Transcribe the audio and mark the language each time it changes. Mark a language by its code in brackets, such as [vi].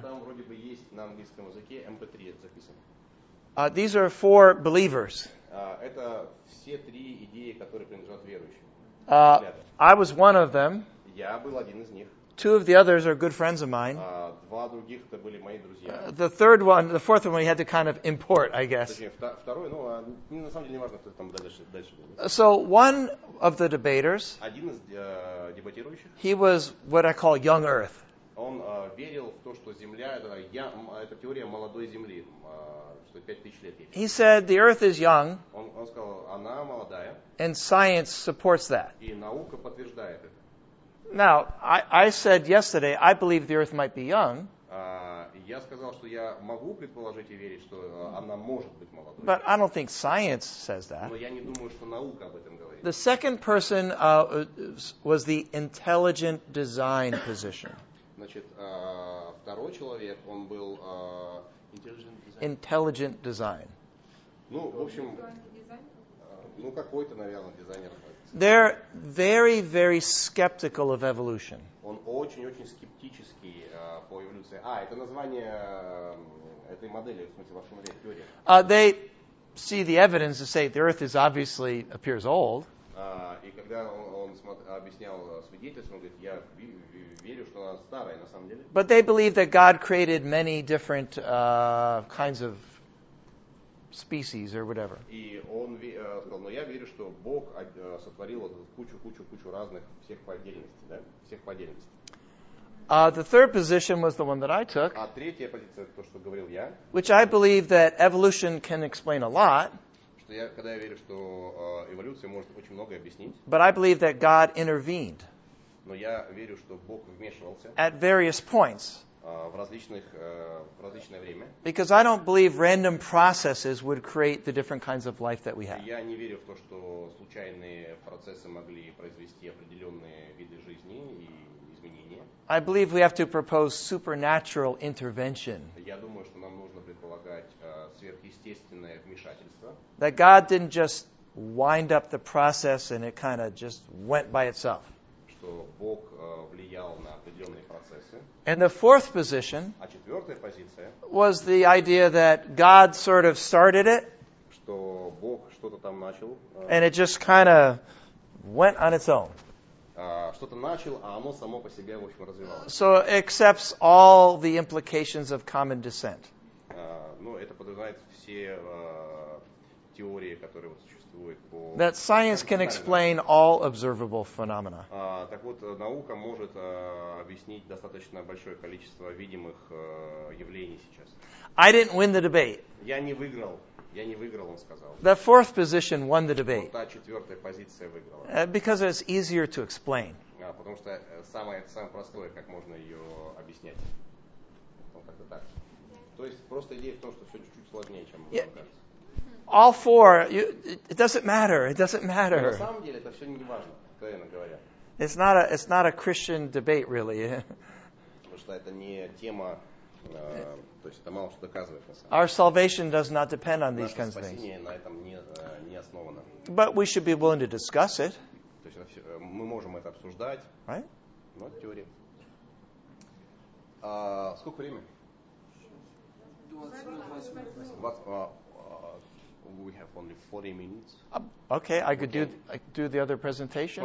[ru] Там вроде бы есть на английском языке MP3 записан. [en] These are four believers. [ru] Это все три идеи, которые принадлежат верующим. [en] I was one of them. [ru] Я был один из них. [en] Two of the others are good friends of mine. [ru] Два других это были мои друзья. [en] The third one, the fourth one, we had to kind of import, I guess. [ru] Второй, ну, на самом деле не важно, кто там дальше был. [en] So one of the debaters. [ru] Один из дебатирующих. [en] He was what I call young Earth. [ru] Он верил в то, что Земля это теория молодой Земли, что 5000 лет. [en] He said the Earth is young. [ru] Он сказал, она молодая. [en] And science supports that. [ru] И наука подтверждает это. [en] Now, I said yesterday, I believe the Earth might be young. [ru] Я сказал, что я могу предположить и верить, что она может быть молодой. [en] But I don't think science says that. [ru] Но я не думаю, что наука об этом говорит. [en] The second person was the intelligent design position. [ru] Значит, второй человек, он был intelligent design. [en] Intelligent design. [ru] Ну, в общем. Ну, какой-то, наверное, дизайнер. [en] They're very, very skeptical of evolution. [ru] Он очень-очень скептический по эволюции. А, это название этой модели, в смысле, вашей модели, теории. [en] They see the evidence to say the Earth is obviously appears old. [ru] И когда он объяснял свидетельство, он говорит, я верю, что она старая, на самом деле. [en] But they believe that God created many different kinds of species or whatever. [ru] И он сказал, но я верю, что Бог сотворил кучу разных всех по отдельности, да, всех по отдельности. [en] The third position was the one that I took, [ru] а третья позиция, то, что говорил я, [en] which I believe that evolution can explain a lot, [ru] что я, когда я верю, что эволюция может очень многое объяснить, [en] but I believe that God intervened, [ru] но я верю, что Бог вмешивался, [en] at various points, [ru] в различных, в различное время, [en] because I don't believe random processes would create the different kinds of life that we have. [ru] Я не верю в то, что случайные процессы могли произвести определенные виды жизни и [en] I believe we have to propose supernatural intervention. [ru] Я думаю, что нам нужно предполагать сверхъестественное вмешательство. [en] That God didn't just wind up the process and it kind of just went by itself. [ru] Что Бог влиял на определенные процессы. [en] And the fourth position, [ru] а четвертая позиция, [en] was the idea that God sort of started it. [ru] Что Бог что-то там начал. [en] And it just kind of went on its own. [ru] Что-то начал, а оно само по себе, в общем, развивалось. [en] So it accepts all the implications of common descent. [ru] Ну, это подразумевает все теории, которые вот существуют по... [en] That science can explain all observable phenomena. [ru] Так вот, наука может объяснить достаточно большое количество видимых явлений сейчас. [en] I didn't win the debate. [ru] Я не выиграл, он сказал. [en] The fourth position won the debate. [ru] Вот та четвертая позиция выиграла. [en] Because it's easier to explain. [ru] Потому что самое простое, как можно ее объяснять. Вот как-то так. То есть просто идея в том, что все чуть-чуть сложнее, чем вам кажется. [en] All four, it doesn't matter. [ru] На самом деле это все не важно, откровенно говоря. [en] It's not a Christian debate, really. [ru] Потому что это не тема... то есть это мало что доказывает. [en] Our salvation does not depend on these kinds of things. [ru] Наше спасение на этом не основано. [en] But we should be willing to discuss it. [ru] То есть мы можем это обсуждать. [en] Right? [ru] Но это теория. Сколько времени? 20 минут. [en] We have only 40 minutes. Okay, I could do the other presentation.